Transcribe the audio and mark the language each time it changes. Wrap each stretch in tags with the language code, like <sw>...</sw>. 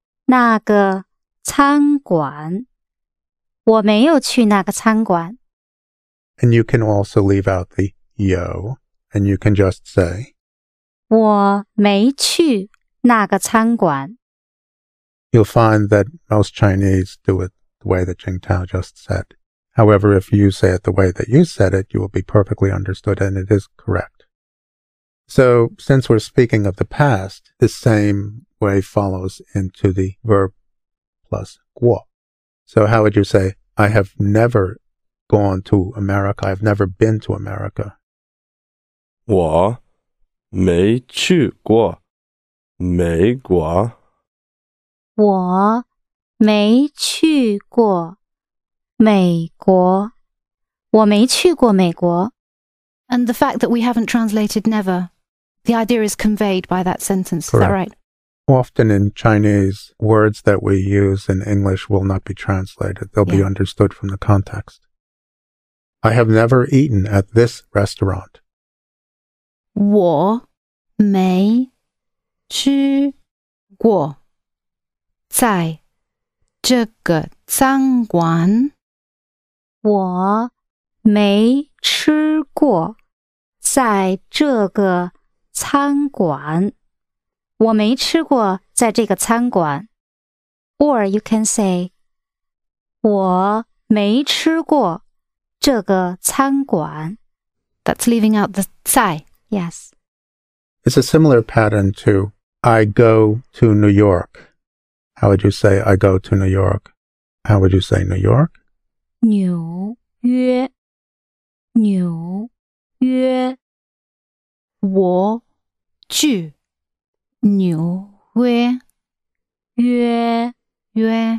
<zh>我没有去那个餐馆 我没有去那个餐馆</zh> <en>And you can also leave out the 有 and you can just say</en> <zh>我没去那个餐馆</zh> <en>You'll find that most Chinese do it the way that Jing Tao just said. However, if you say it the way that you said it, you will be perfectly understood, and it is correct. So, since we're speaking of the past, the same way follows into the verb plus guo. So, how would you say, I have never gone to America, I've never been to America?</en> <zh>我没去过美国我没去过 美国, 我没去过美国,</zh> <en>And the fact that we haven't translated never, the idea is conveyed by that sentence. Correct. Is that right? Often in Chinese, words that we use in English will not be translated. They'll be understood from the context. I have never eaten at this restaurant.</en> <zh>我没吃过在这个餐馆。我没吃过在这个餐馆。我没吃过在这个餐馆。</zh> <en>Or you can say,</en> <zh>我没吃过这个餐馆。</zh> <en>That's leaving out the 在, yes. It's a similar pattern to, I go to New York. How would you say, I go to New York? How would you say New York?</en> <zh>纽约纽约我去纽约约约</zh>